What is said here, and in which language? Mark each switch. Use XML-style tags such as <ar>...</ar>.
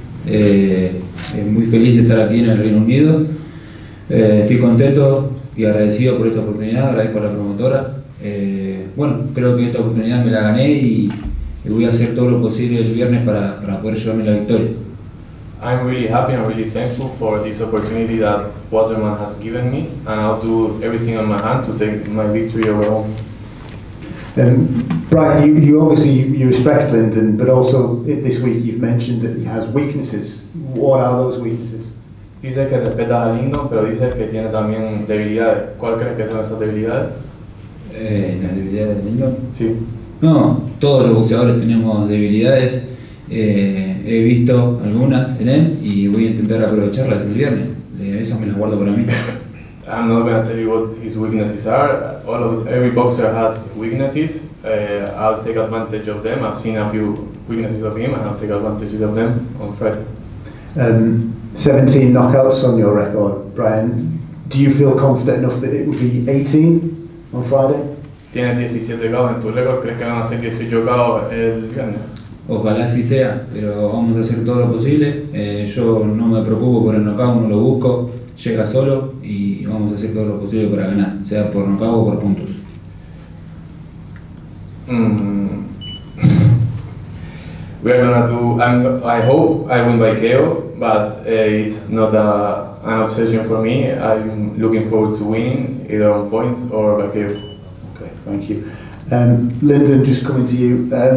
<es>Muy feliz de estar aquí en el Reino Unido. Estoy contento y agradecido por esta oportunidad, agradezco a la promotora. Bueno, creo que esta oportunidad me la gané y voy a hacer todo lo posible el viernes para poder llevarme la victoria.</es> <en>I'm really happy and really thankful for this opportunity that Wasserman has given me, and I'll do everything on my hand to take my victory over home. Braian, you obviously you respect Lyndon, but also this week you've mentioned that he has weaknesses. What are those weaknesses?</en> <es>Dice que respeta a Lyndon, pero dice que tiene también debilidades. ¿Cuál crees que son esas debilidades? ¿Las debilidades de Lyndon? Sí. No, todos los boxeadores tenemos debilidades. He visto algunas en él y voy a intentar aprovecharlas el viernes. Eso me las guardo para mí.</es> <en>I'm not going to tell you what his weaknesses are. Every boxer has weaknesses. I'll take advantage of them. I've seen a few weaknesses of him and I'll take advantage of them on Friday. 17 knockouts on your record, Braian. Do you feel confident enough that it would be 18 on Friday?</en> <es>Tienes 17 KO en tu record. ¿Crees que van a ser 18 KO el viernes? Ojalá así sea, pero vamos a hacer todo lo posible. Yo no me preocupo por el knockout, no lo busco. Llega solo y vamos a hacer todo lo posible para ganar, sea por knockout o por puntos.</es> <en>I hope I win by KO, but it's not an obsession for me. I'm looking forward to winning either on points or by KO. Okay, thank you. Lyndon, just coming to you.</en>